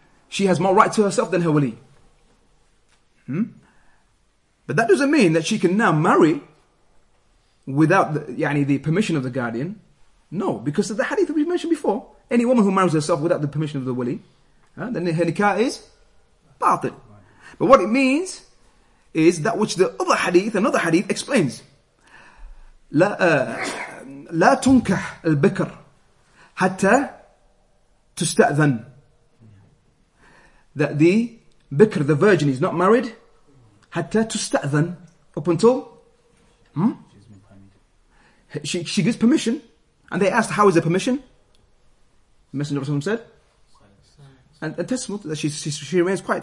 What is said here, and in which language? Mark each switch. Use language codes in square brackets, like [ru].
[en] she has more right to herself than her wali. But that doesn't mean that she can now marry without the permission of the guardian. No, because of the hadith we mentioned before, any woman who marries herself without the permission of the wali, then her nikah is batil. But what it means is that which the other hadith, another hadith, explains. [ar] لا تنكح البكر حتى تستأذن. [en] That the bikr, the virgin, is not married [ar] حتى تستأذن, [en] up until she gives permission. And they asked, how is the permission? The Messenger of Allah said, and testimony that she remains quiet.